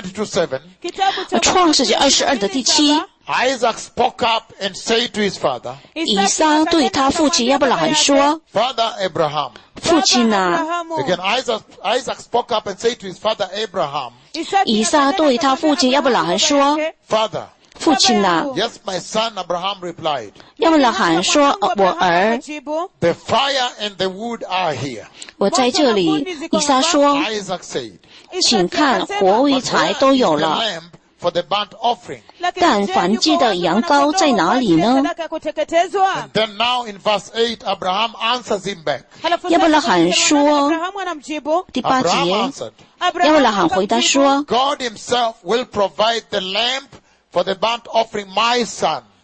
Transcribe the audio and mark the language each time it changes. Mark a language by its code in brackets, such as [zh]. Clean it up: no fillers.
[zh] 创世纪22章指出来了这特别的羊，神的荣耀的羔羊耶稣基督弥赛亚。第七节，创世纪22的第七。 [en] Isaac spoke up and said to his father, [zh] 以撒对他父亲亚伯拉罕说, [en] Father Abraham, [zh] 父亲啊, [en] again, Isaac spoke up and said to his father Abraham, [zh] 以撒对他父亲亚伯拉罕说, [en] Father, [zh] 父亲啊, [en] Yes, my son, Abraham replied, [zh] 亚伯拉罕说, 我儿, [en] The fire and the wood are here. [zh] 我在这里, 以撒说, [en] Isaac said, [zh] 请看, 火与柴都有了。 [en] For the burnt offering. [zh] 但燔祭的羊羔在哪里呢? [en] And then now in verse 8, Abraham answers him back. [zh] 亚伯拉罕说, 第八节, [en] Abraham answered. God himself will provide the lamp for the burnt offering, my son.